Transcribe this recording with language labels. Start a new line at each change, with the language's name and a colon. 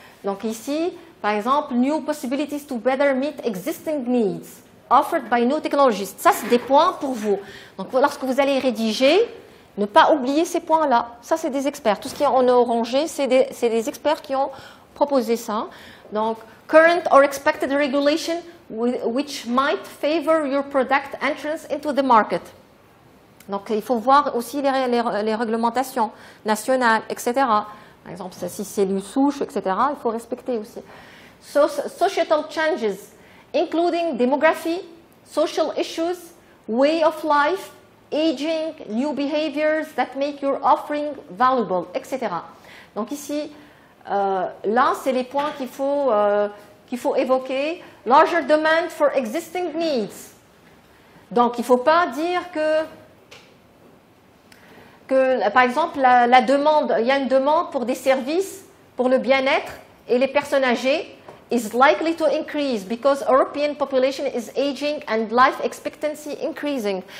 French: Donc ici, par exemple,
English: new possibilities to better meet existing needs offered by new technologies.
French: Ça, c'est des points pour vous. Donc lorsque vous allez rédiger, ne pas oublier ces points-là. Ça, c'est des experts. Tout ce qui est en orangé, c'est des experts qui ont proposé ça.
English: Donc, current or expected regulation which might favor your product entrance into the market.
French: Donc, il faut voir aussi les réglementations nationales, etc. Par exemple, si c'est une souche, etc., il faut respecter aussi.
English: Societal changes, including demography, social issues, way of life, aging, new behaviors that make your offering valuable, etc.
French: Donc ici, là, c'est les points qu'il faut évoquer.
English: Larger demand for existing needs.
French: Donc, il ne faut pas dire que par exemple, la demande, il y a une demande pour des services pour le bien-être et les personnes âgées
English: is likely to increase because European population is aging and life expectancy increasing.